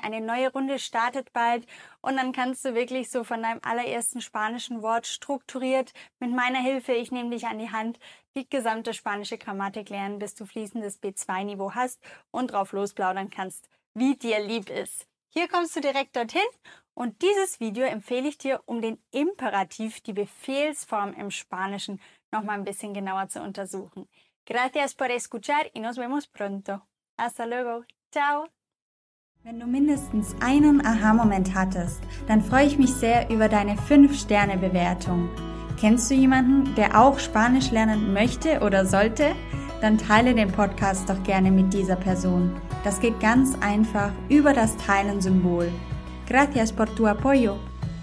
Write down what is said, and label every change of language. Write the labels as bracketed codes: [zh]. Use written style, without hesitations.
[de] Eine neue Runde startet bald und dann kannst du wirklich so von deinem allerersten spanischen Wort strukturiert mit meiner Hilfe, ich nehme dich an die Hand, die gesamte spanische Grammatik lernen, bis du fließendes B2-Niveau hast und drauf losplaudern kannst, wie dir lieb ist. Hier kommst du direkt dorthin. Und dieses Video empfehle ich dir, um den Imperativ, die Befehlsform im Spanischen, noch mal ein bisschen genauer zu untersuchen. [es] Gracias por escuchar y nos vemos pronto. Hasta luego. Ciao. [de] Wenn du mindestens einen Aha-Moment hattest, dann freue ich mich sehr über deine 5-Sterne-Bewertung. Kennst du jemanden, der auch Spanisch lernen möchte oder sollte? Dann teile den Podcast doch gerne mit dieser Person. Das geht ganz einfach über das Teilen-Symbol. [es] Gracias por tu apoyo.